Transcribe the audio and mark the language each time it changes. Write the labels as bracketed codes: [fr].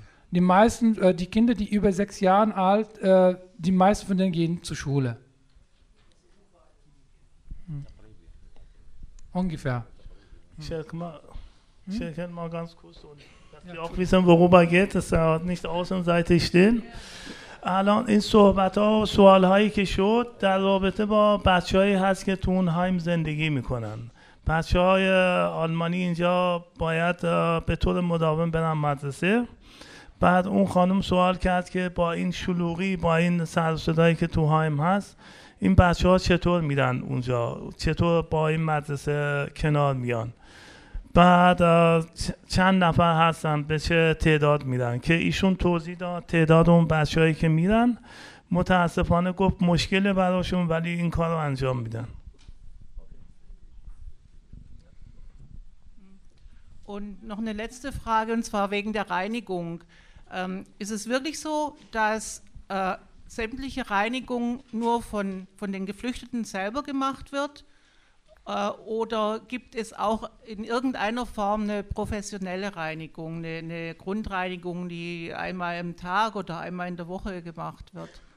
[de] Die meisten, die Kinder, die über 6 Jahre alt, die meisten von denen gehen zur Schule. Ungefähr. Mal ganz kurz Ja, auch wissen, worüber geht es, nicht außenseitig stehen. [fa] الان این صحبت ها و سوال هایی که شد در رابطه با بچه هایی هست که تو اون هایم زندگی میکنن. بچه های آلمانی اینجا باید به طور مداوم برن مدرسه. بعد اون خانم سوال کرد که با این شلوغی، با این سر و صدایی که تو هایم هست، این بچه ها چطور میرن اونجا؟ چطور با این مدرسه کنار میان؟ بعد چند نفر هستن به چه تعداد میرن که ایشون توضیح داد تعداد اون بچه هایی که میرن متاسفانه گفت مشکل براشون ولی این کار رو انجام میدن [de] Und noch eine letzte Frage und zwar wegen der Reinigung. Ist es wirklich so, dass sämtliche Reinigung nur von den Geflüchteten selber gemacht wird? Oder gibt es auch in irgendeiner Form eine professionelle Reinigung, eine Grundreinigung, die einmal im Tag oder einmal in der Woche gemacht wird?